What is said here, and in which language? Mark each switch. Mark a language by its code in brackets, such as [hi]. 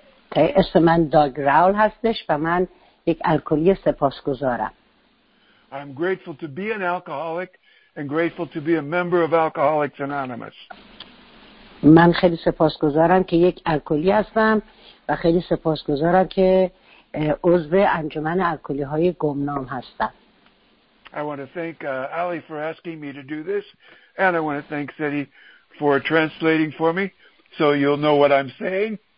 [fa] Okay, اسم من داگ راول هستش و من یک الکلی سپاسگزارم. [en] I'm grateful to be an alcoholic and grateful to be a member of Alcoholics Anonymous. [fa] من خیلی سپاسگزارم که یک الکلی هستم و خیلی سپاسگزارم که عضو انجمن الکلی‌های گمنام هستم. [en] I want to thank Ali for asking me to do this, and I want to thank Sidi for translating for me, so you'll know what I'm saying.